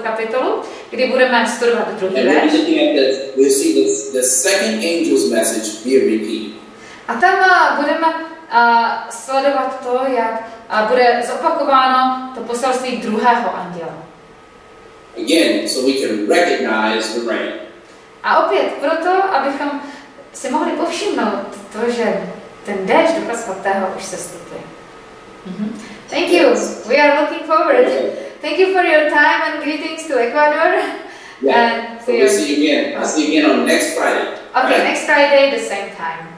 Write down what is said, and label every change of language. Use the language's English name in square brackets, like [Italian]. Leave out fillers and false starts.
[Czech] kapitolu, kdy budeme studovat druhý verš. [English] And looking at that, we'll see the second angel's message being repeated. [Czech] A tam budeme sledovat to, jak bude zopakováno to poselství druhého anděla. [English] Again, so we can recognize the rain. [Czech] A opět proto, abychom si mohli povšimnout to, že ten déšť Ducha Svatého už se stupuje. [English] Thank you. Yes. We are looking forward. Okay. Thank you for your time and greetings to Ecuador. Yeah. And we'll see you again. I'll see you again on next Friday. Okay, right. Next Friday, the same time.